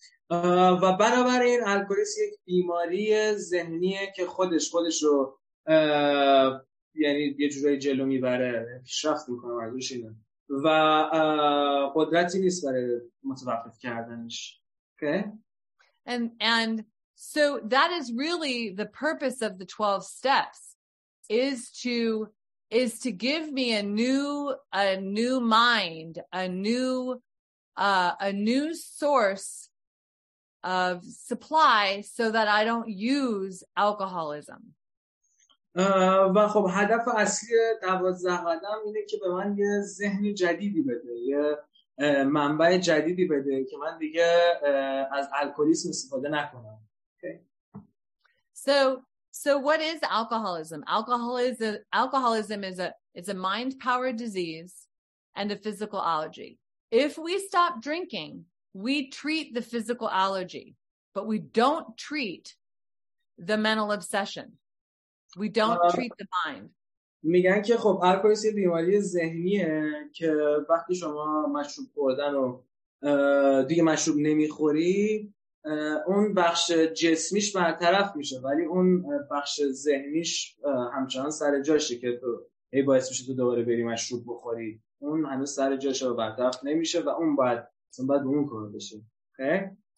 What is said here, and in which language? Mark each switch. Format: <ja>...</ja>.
<fa>و بنابراین الکلیسم یک بیماری ذهنیه که خودش رو یعنی یه جورای جلو میبره پیشرفت میکنه ازش اینه و قدرتی نیست برای متوقف کردنش okay?</fa> <en>And so that is really the purpose of the 12 steps is to give me a new mind, a new source of supply so that I don't use alcoholism.</en> <fa>و خب هدف اصلی 12 قدم اینه که به من یه ذهن جدیدی بده یه منبع جدیدی بده که من دیگه از الکلیسم استفاده نکنم</fa> <en>So what is alcoholism? Alcoholism is a mind power disease and a physical allergy. If we stop drinking, we treat the physical allergy, but we don't treat the mental obsession. We don't treat the mind.</en> <fa>میگن که خب الکلیسم یه بیماری ذهنیه که وقتی شما مشروب خوردن و دیگه مشروب نمیخوری اون بخش جسمیش برطرف میشه ولی اون بخش ذهنیش همچنان سر جاشه که تو هی باعث میشه تو دوباره بری مشروب بخوری اون هنوز سر جاشه و برطرف نمیشه و اون باید اصلا باید اون کار بشه okay?</fa>